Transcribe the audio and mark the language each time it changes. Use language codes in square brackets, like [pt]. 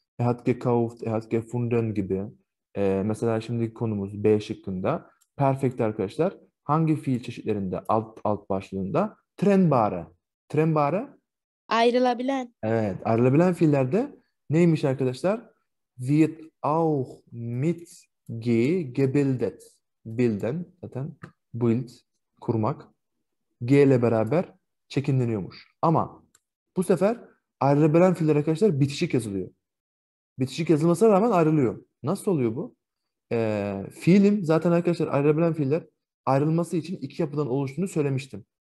[de] Er hat gekauft, er hat gefunden [tr] gibi. Mesela şimdiki konumuz B şıkkında. Perfect arkadaşlar. Hangi fiil çeşitlerinde alt başlığında? [de] Trennbare. Trennbare? [tr] Ayrılabilen. Evet. Ayrılabilen fiillerde neymiş arkadaşlar? [de] Wird auch mit G gebildet. [tr] Bilden. Zaten bild. Kurmak. G ile beraber çekimleniyormuş. Ama bu sefer ayrılabilen fiiller arkadaşlar bitişik yazılıyor. Bitişik yazılmasına rağmen ayrılıyor. Nasıl oluyor bu? Fiilim zaten arkadaşlar ayrılabilen fiiller ayrılması için iki yapıdan oluştuğunu söylemiştim.